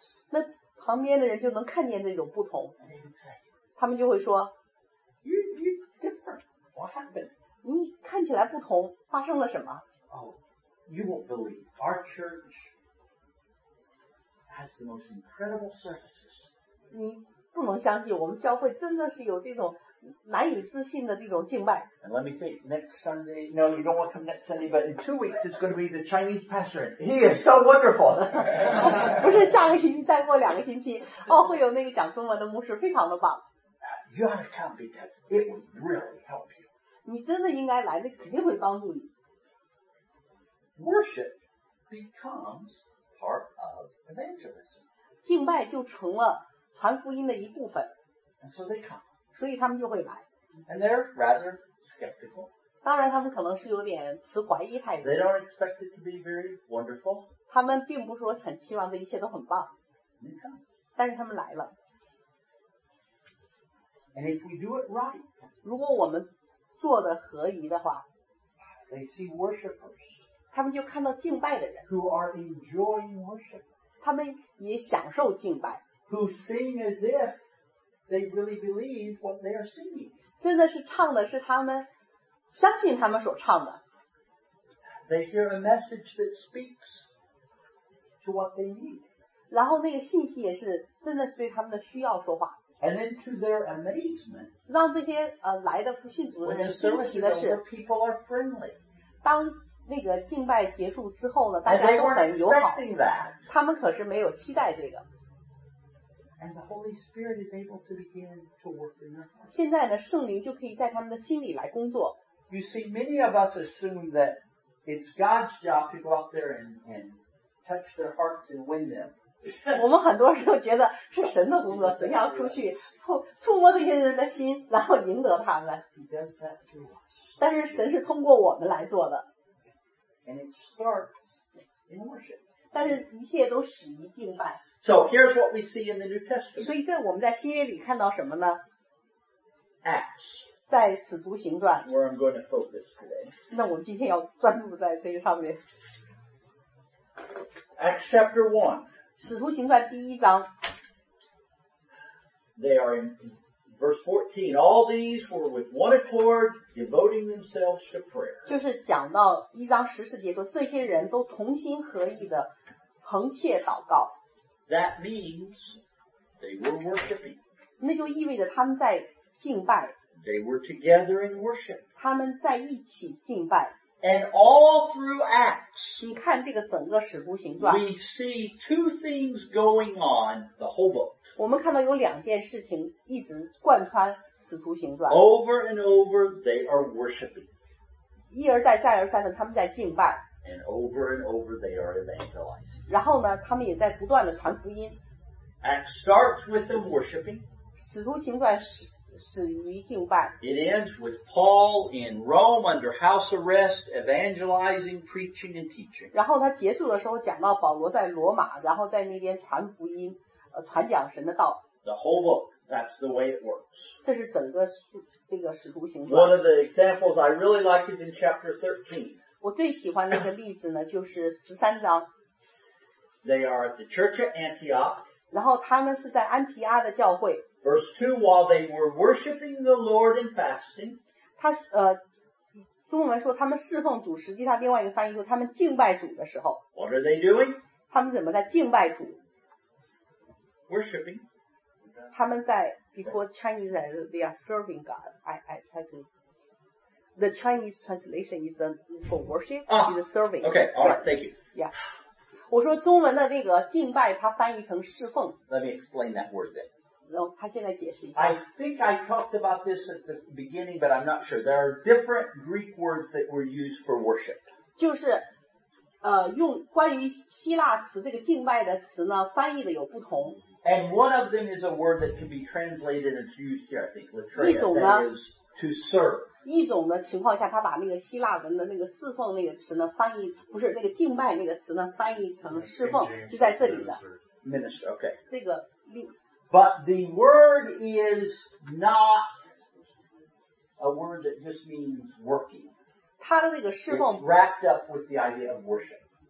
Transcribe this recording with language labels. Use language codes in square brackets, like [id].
[zh] 那旁边的人就能看见那种不同，他们就会说 [en] you're different. What happened? [zh] 你看起来不同，发生了什么？ [en] Oh, you won't believe. Our church has the most incredible services. [zh] 你不能相信我们教会真的是有这种难以置信的这种敬拜。 [en] And let me think, next Sunday, no, you don't want to come next Sunday, but in 2 weeks it's going to be the Chinese pastor. He is so wonderful. [zh] 不是下个星期，再过两个星期，会有那个讲中文的牧师，非常的棒。 [en] You ought to come because it would really help you. [zh] 你真的应该来，那肯定会帮助你。 [en] Worship becomes part of evangelism. [zh] 敬拜就成了传福音的一部分。 [en] And so they come. [zh] 所以他们就会来。 [en] And they're rather skeptical. [zh] 当然他们可能是有点持怀疑态度。 [en] They don't expect it to be very wonderful. [zh] 他们并不说很期望的一切都很棒。 [en] They come. [zh] 但是他们来了。 [en] And if we do it right, [zh] 如果我们做的合宜的话， [en] they see worshipers. [zh] 他们就看到敬拜的人。 [en] Who are enjoying worship. [zh] 他们也享受敬拜。 [en] Who sing as if they really believe what they are singing. [zh] 真的是唱的是他们相信他们所唱的。 [en] They hear a message that speaks to what they need. [zh] 然后那个信息也是真的是对他们的需要说话。 [en] And then to their amazement, [zh] 让这些来的不信主的人惊奇的是 [en] when the people are friendly. [zh] 当那个敬拜结束之后呢，大家都很友好。 [en] And they weren't expecting that. [zh] 他们可是没有期待这个。 [en] And the Holy Spirit is able to begin to work in their heart. [zh] 现在呢，圣灵就可以在他们的心里来工作。 [en] You see, many of us assume that it's God's job to go out there and touch their hearts and win them. [zh] 我们很多时候觉得是神的工作，神要出去触摸这些人的心，然后赢得他们。 [en] He does that through us. [zh] 但是神是通过我们来做的。 [en] And it starts in worship. [zh] 但是一切都始于敬拜。 [en] So here's what we see in the New Testament. [zh] 所以在我们在新约里看到什么呢？ [en] Acts. [zh] 在使徒行传。 [en] Where I'm going to focus today. [zh] 那我们今天要专注在这个上面。 [en] Acts chapter 1. [zh] 使徒行传第一章。 [en] They are in verse 14. All these were with one accord devoting themselves to prayer. [zh] 就是讲到一章十四节说这些人都同心合意的横切祷告。 [en] That means they were worshiping. [zh] 那就意味着他们在敬拜。 [en] They were together in worship. [zh] 他们在一起敬拜。 [en] And all through Acts, [zh] 你看这个整个使徒行传。 [en] We see two things going on the whole book. [zh] 我们看到有两件事情一直贯穿使徒行传。 [en] Over and over, they are worshiping. [zh] 一而再，再而三的，他们在敬拜。 [en] And over and over they are evangelizing. [zh] 然后呢他们也在不断的传福音。 [en] Acts starts with them worshiping. [zh] 使徒行传始于敬拜。 [en] It ends with Paul in Rome under house arrest, evangelizing, preaching, and teaching. [zh] 然后他结束的时候讲到保罗在罗马然后在那边传福音传讲神的道。 [en] The whole book, that's the way it works. [zh] 这是整个这个使徒行传。 [en] One of the examples I really like is in chapter 13. [zh] 我最喜欢的一个例子呢，就是13章。 [en] They are at the church at Antioch. [zh] 然后他们是在安提阿的教会。 [en] Verse 2, while they were worshiping the Lord and fasting, [zh] 中文说他们侍奉主，实际上另外一个翻译说他们敬拜主的时候。 [en] What are they doing? [zh] 他们怎么在敬拜主？ [en] Worshipping. [zh] 他们在, [en] before Chinese, they are serving God. I try to, the Chinese translation is for worship, is serving. Okay, alright, thank you. Yeah. [zh] 我说中文的那个敬拜它翻译成侍奉。 [en] Let me explain that word then. No, [zh] 他现在解释一下。 [en] I think I talked about this at the beginning, but I'm not sure. There are different Greek words that were used for worship. [zh] 就是, 用关于希腊词这个敬拜的词呢，翻译的有不同。 [en] And one of them is a word that can be translated and used here, I think, latreia, that is to serve. [zh] 一种呢情况下，他把那个希腊文的那个侍奉那个词呢翻译，不是那个敬拜那个词呢翻译成侍奉，就在这里的。Minister, [en] okay. [zh] 这个, [en] but the word is not a word that just means working. [zh] 他的那个侍奉, [en] it's wrapped up with the idea of worship.